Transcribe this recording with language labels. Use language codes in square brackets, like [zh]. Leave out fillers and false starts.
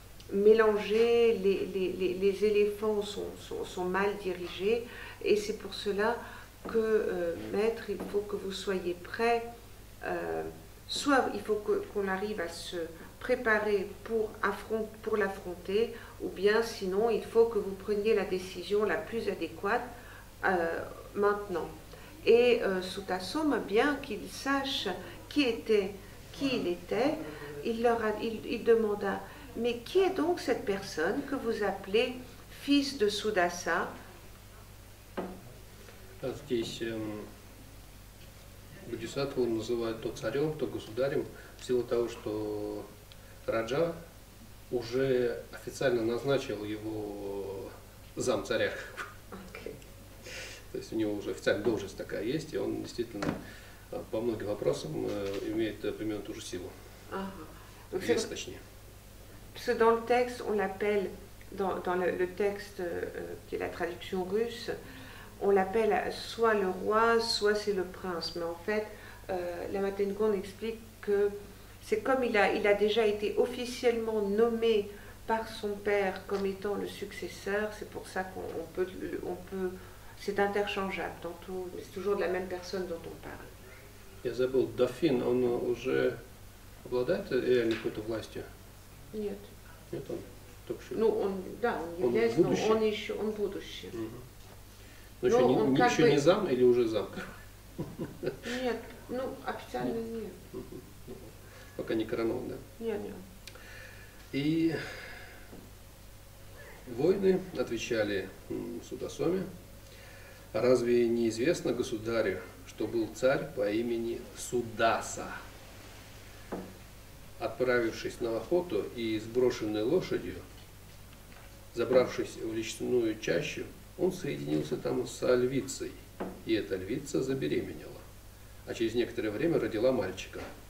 [fr] mélangées, les éléphants sont mal dirigés, et c'est pour cela que maître, il faut que vous soyez prêt, soit il faut qu'on arrive à se préparer pour l'affronter, ou bien sinon il faut que vous preniez la décision la plus adéquate maintenant. Et Sutasoma, bien qu'il sache qui il était, il demanda: mais qui est donc cette personne que vous appelez fils de Sudassa? [ru] Здесь Бодхисаттву он называет то царем, то государем, в силу того, что Раджа уже официально назначил его замцаря. То есть у него уже официальная должность такая есть, и он действительно по многим вопросам имеет примерно ту же силу. Вес, точнее. [fr] Parce que dans le texte, on l'appelle, dans le texte qui est la traduction russe, on l'appelle soit le roi, soit c'est le prince. Mais en fait, la Matengon explique que c'est comme il a déjà été officiellement nommé par son père comme étant le successeur, c'est pour ça qu'on peut, c'est interchangeable, tantôt, mais c'est toujours de la même personne dont on parle. J'ai oublié, le dauphin, il a déjà [ru] обладает или какой-то властью? Нет. Нет, он только что... Ну, он, да, он есть, но будущий? Он будущий. Угу. Но еще, не, он еще бы... не зам или уже зам? Нет, ну, официально нет. Угу. Пока не коронован, да? Нет. И воины отвечали Судасоме: разве не известно государю, что был царь по имени Судаса, отправившись на охоту и сброшенной лошадью, забравшись в лесную чащу, он соединился там со львицей, и эта львица забеременела, а через некоторое время родила мальчика.